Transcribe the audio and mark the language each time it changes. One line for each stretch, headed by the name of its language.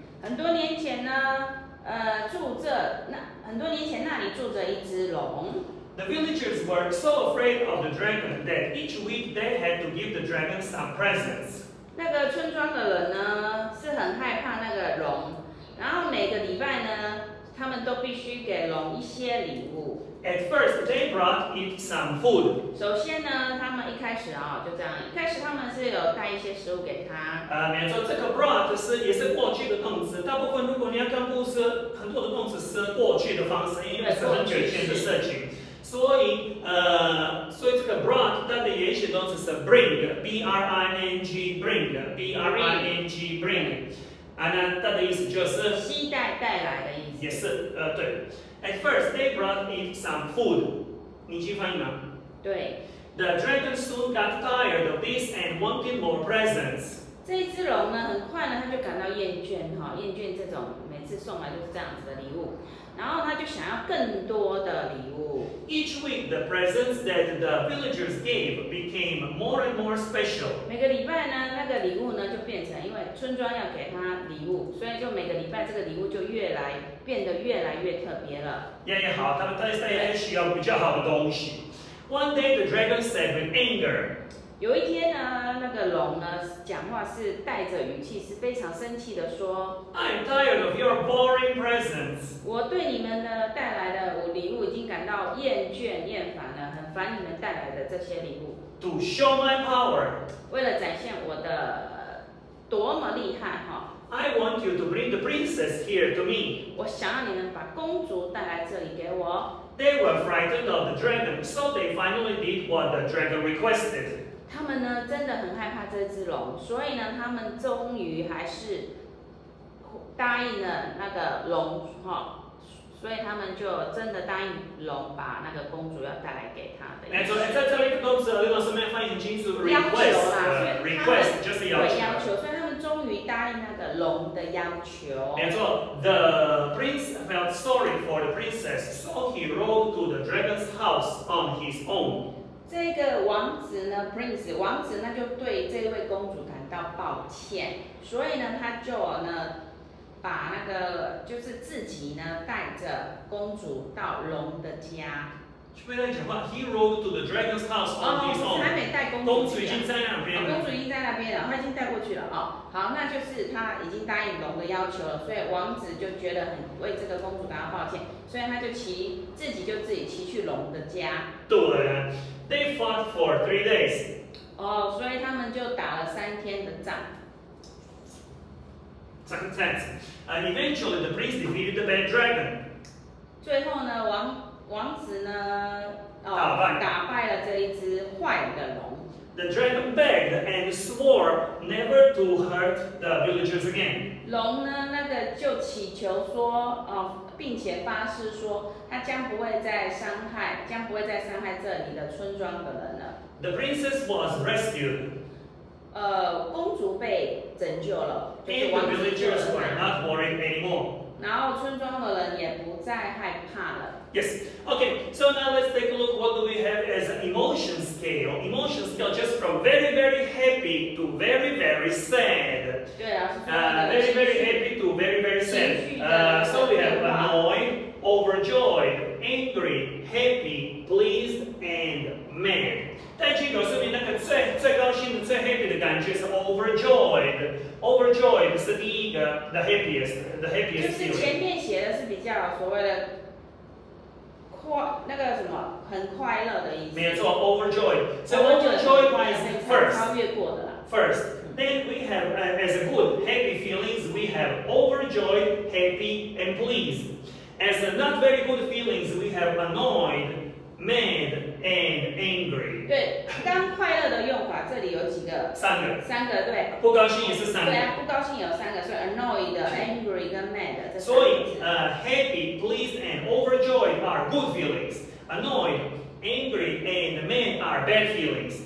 Chinese: 很多年前呢，住着那很多年前那里住着一只龙。
English: The villagers were so afraid of the dragon that each week they had to give the dragon some presents.
Chinese: 那个村庄的人呢是很害怕那个龙，然后每个礼拜呢他们都必须给龙一些礼物。
English: At first they brought it some food.
Chinese: 首先呢他们一开始啊、哦、就这样，一开始他们是有带一些食物给他。没错，这个 brought 是也是过去的动词，大部分如果你要看故事，很多的动词是过去的方式，因为是很久以前的事情。所以这个 brought 它的原始动词是 bring， 啊，那它的意思就是携带带来的意思。也是，对。
English: At first they brought it some food，
Chinese: 你去翻译吗？对。
English: The dragon soon got tired of this and wanted more presents。
Chinese: 这一只龙呢，很快呢，它就感到厌倦哈、哦，厌倦这种每次送来就是这样子的礼物。然后他就想要更多的礼物。
English: Each week, the presents that the villagers gave became more and more special.
Chinese: 每个礼拜呢，那个礼物呢就变成，因为村庄要给他礼物，所以就每个礼拜这个礼物就越来变得越来越特别了。也好，他们特别需要比较好的东西。
English: One day, the dragon said with anger.
Chinese: 有一天呢，那个龙呢讲话是带着语气，是非常生气的说
English: ，I'm tired of your boring presents.
Chinese: 我对你们的带来的礼物已经感到厌倦厌烦了，很烦你们带来的这些礼物。
English: To show my power，
Chinese: 为了展现我的多么厉害哈。
English: I want you to bring the princess here to me，
Chinese: 我想要你们把公主带来这里给我。
English: They were frightened of the dragon， so they finally did what the dragon requested。
Chinese: 他们呢真的很害怕这只龙，所以呢他们终于还是。答应了那个龙、哦、所以他们就真的答应龙把那个公主要带来给他的。没错，在这里的动词，如果是没有翻译很清楚 ，request 就是要求，所以他们终于答应那个龙的要求。没错
English: ，The prince felt sorry for the princess, so he rode to the dragon's house on his own.
Chinese: 这个王子呢 ，prince 王子那就对这位公主感到抱歉，所以呢，他就呢。把那个就是自己呢带着公主到龙的家。去跟他讲话。
English: He rode to the dragon's house on his own。
Chinese: 哦，还没带公主，公主已经在那边了。公主已经在那边了，他已经带过去了。哦，好，那就是他已经答应龙的要求了，所以王子就觉得很为这个公主感到抱歉，所以他就自己去龙的家。
English: 对 ，They fought for 3 days。
Chinese: 哦，所以他们就打了3天的仗。
English: Eventually, the prince defeated the bad dragon.
Chinese: 最后呢，王子呢，打败了这一只坏的龙。
English: The dragon begged and swore never to hurt the villagers again.
Chinese: 龙呢，那个就祈求说，并且发誓说，他将不会再伤害这里的村庄的人了。
English: The princess was rescued.
Chinese: 公主被拯救了。
English: And the villagers were not worried anymore.
Chinese: 然后村庄的人也不再害怕了。
English: Yes. Okay. So now let's take a look. What do we have as an emotion scale? Emotion scale just from very very happy to very very sad.
Chinese: 对啊。
English: Very very happy to very very sad. So we have annoyed, overjoyed, angry, happy, pleased, and mad.
Chinese: 在这个说明那个最高兴的最 happy 的感觉是 overjoyed 是第一个
English: the happiest
Chinese: 就是前面写的是比较所谓的那个什么很快乐的意思，没错
English: overjoyed 所以 overjoyed 是 first then we have as a good happy feelings we have overjoyed happy and pleased as a not very good feelings we have annoyedMad and angry.
Chinese: 对，刚快乐的用法，这里有几个？三个，对。不高兴也是三个。对啊，不高兴有三个，所以 annoyed、angry 跟 mad 这三个。
English: 所以happy, pleased, and overjoyed are good feelings. Annoyed, angry, and mad are bad feelings.